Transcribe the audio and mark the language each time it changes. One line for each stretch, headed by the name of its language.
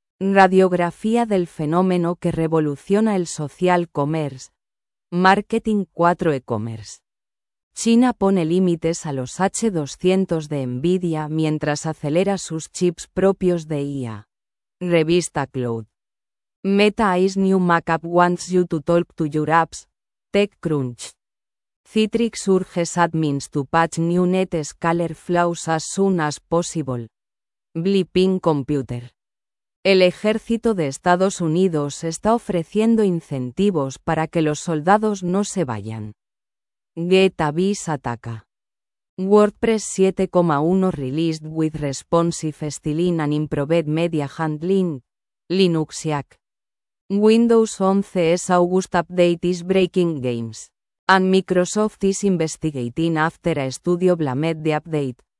Spanish: Radiografía del fenómeno que revoluciona el social commerce. Marketing 4 e-commerce. China pone límites a los H200 de Nvidia mientras acelera sus chips propios de IA. Revista Cloud.
English: Meta Eyes New Macup wants you to talk to your apps. TechCrunch. Citrix urges admins to patch new Netscaler flaws as soon as possible. Bleeping Computer.
Spanish: El ejército de Estados Unidos está ofreciendo incentivos para que los soldados no se vayan. GetAvis ataca.
English: WordPress 7.1 released with responsive styling and improved media handling. Linux Yak. Windows 11 S August update is breaking games. And Microsoft is investigating after a studio blamed the update.